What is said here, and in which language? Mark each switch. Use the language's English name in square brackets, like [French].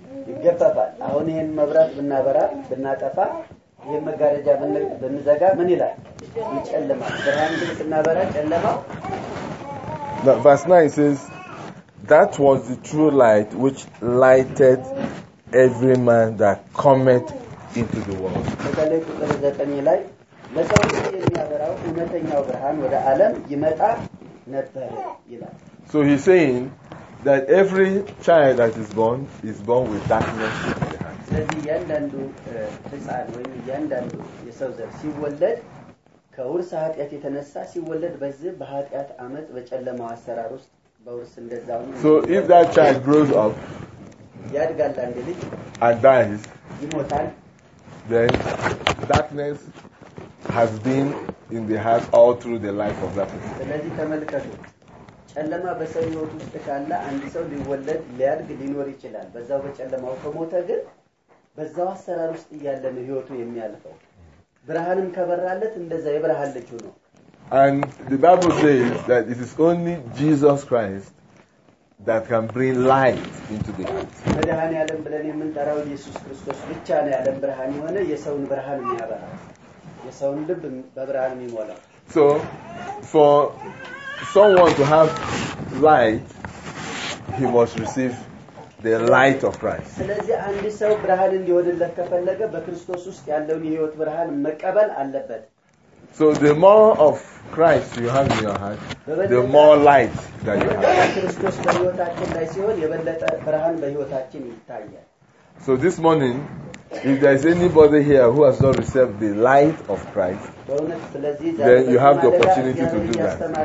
[Amharic] ይገፋፋል አሁን ይሄን መብራት ብናበራ ብናጠፋ ይሄን መጋረጃ ብንዘጋ ምን ይላል ይጨልማል ብርሃን ብናበራ ጨለማው ነው [English] verse 9 says that was the true light which lighted every man that cometh into the world [Amharic] ወደላይ ቁጥር 9 ላይ ለሰው የሚያበራው እውነተኛው ብርሃን ወደ ዓለም ይመጣ ነበር ይላል [English] so he's saying that every child that is born with darkness in their hands. [Amharic] ለዚ ያንዳንዱ ህፃን ወይ ያንዳንዱ የሰው ዘር ሲወለድ ከውርስ ኃጢአት የተነሳ ሲወለድ በዚህ በኃጢአት አመጽ በጨለማው አሰራር ውስጥ በውርስ እንደዛው ነው። [English] So if that child grows up [Amharic] ያድጋል አንድ ልጅ [English] and dies [Amharic] ይሞታል [English] then darkness has been in the heart all through the life of that person. [Amharic] ስለዚህ ተመልከቱ ጨለማ በሰው ህይወት ውስጥ ካለ አንድ ሰው ሊወለድ ሊያድግ ሊኖር ይችላል በዛው በጨለማው ከመውተ ግን በዛው አሰራር ውስጥ ያለ ነው ህይወቱ የሚያልፈው ብርሃንም ከበራለት እንደዛ የብርሃን ልጅ ነው [English] and the bible says that it is only jesus christ that can bring light into the world [Amharic] ብርሃን ያለም ብለን የምንጠራው ኢየሱስ ክርስቶስ ብቻ ነው ያለም ብርሃን የሆነ የሰውን ብርሃን የሚያበራ የሰውን ልብ በብርሃን የሚሞላ [English] so for someone to have light he must receive the light of Christ [Amharic] ስለዚህ አንድ ሰው ብርሃን እንዲወድለት ከፈለገ በክርስቶስ ውስጥ ያለውን የህይወት ብርሃን መቀበል አለበት [English] so the more of Christ you have in your heart the more light that you have [Amharic] ክርስቶስ በህይወታችን ላይ ሲሆን የበለጠ ብርሃን በህይወታችን ይታያል [English] so this morning if there is anybody here who has not received the light of Christ then you have the opportunity to do that